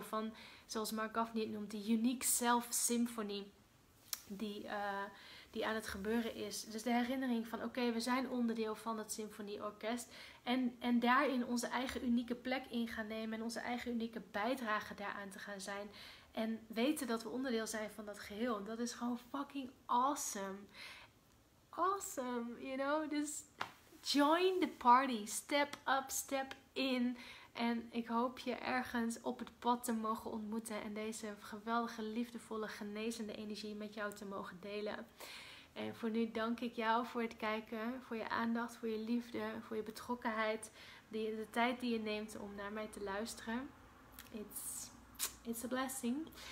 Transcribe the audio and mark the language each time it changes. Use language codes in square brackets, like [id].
[nl] Van, zoals Mark Gaffney het noemt, die unique self-symphony die aan het gebeuren is. Dus de herinnering van, oké, we zijn onderdeel van dat symfonieorkest. En daarin onze eigen unieke plek in gaan nemen en onze eigen unieke bijdrage daaraan te gaan zijn. En weten dat we onderdeel zijn van dat geheel. Dat is gewoon fucking awesome. [en] Awesome, you know. Dus join the party. Step up, step in. [nl] En ik hoop je ergens op het pad te mogen ontmoeten en deze geweldige, liefdevolle, genezende energie met jou te mogen delen. En voor nu dank ik jou voor het kijken, voor je aandacht, voor je liefde, voor je betrokkenheid, de tijd die je neemt om naar mij te luisteren. [en] It's a blessing.